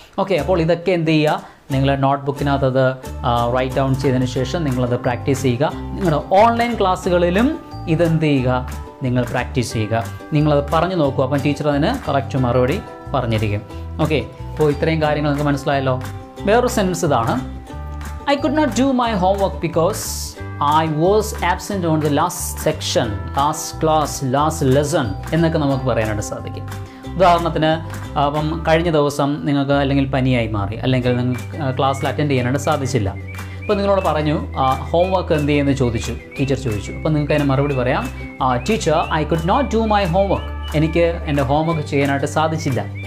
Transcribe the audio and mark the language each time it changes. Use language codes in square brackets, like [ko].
[ml] Okay, അപ്പോൾ ഇതൊക്കെ എന്ത് ചെയ്യുക, നിങ്ങളുടെ നോട്ട്ബുക്കിനകത്ത് അത് റൈറ്റ് ഡൗൺ ചെയ്തതിന് ശേഷം നിങ്ങളത് പ്രാക്ടീസ് ചെയ്യുക. നിങ്ങളുടെ ഓൺലൈൻ ക്ലാസ്സുകളിലും ഇതെന്ത് ചെയ്യുക, നിങ്ങൾ പ്രാക്ടീസ് ചെയ്യുക, നിങ്ങളത് പറഞ്ഞു നോക്കുക, അപ്പം ടീച്ചർ അതിന് കറക്റ്റ് മറുപടി പറഞ്ഞിരിക്കും. ഓക്കെ, അപ്പോൾ ഇത്രയും കാര്യങ്ങൾ നിങ്ങൾക്ക് മനസ്സിലായല്ലോ. വേറൊരു സെൻസ് ഇതാണ്, [en] I could not do my homework because I was absent on the last section, last class, last lesson. [ml] എന്നൊക്കെ നമുക്ക് പറയാനായിട്ട് സാധിക്കും. ഉദാഹരണത്തിന്, അപ്പം കഴിഞ്ഞ ദിവസം നിങ്ങൾക്ക് അല്ലെങ്കിൽ പനിയായി മാറി, അല്ലെങ്കിൽ നിങ്ങൾ ക്ലാസ്സിൽ അറ്റൻഡ് ചെയ്യാനായിട്ട് സാധിച്ചില്ല. അപ്പോൾ നിങ്ങളോട് പറഞ്ഞു ഹോംവർക്ക് എന്ത് ചെയ്യുമെന്ന് ചോദിച്ചു, ടീച്ചർ ചോദിച്ചു. അപ്പോൾ നിങ്ങൾക്ക് അതിന് മറുപടി പറയാം, [en] teacher I could not do my homework, [ml] എനിക്ക് എൻ്റെ ഹോംവർക്ക് ചെയ്യാനായിട്ട് സാധിച്ചില്ല.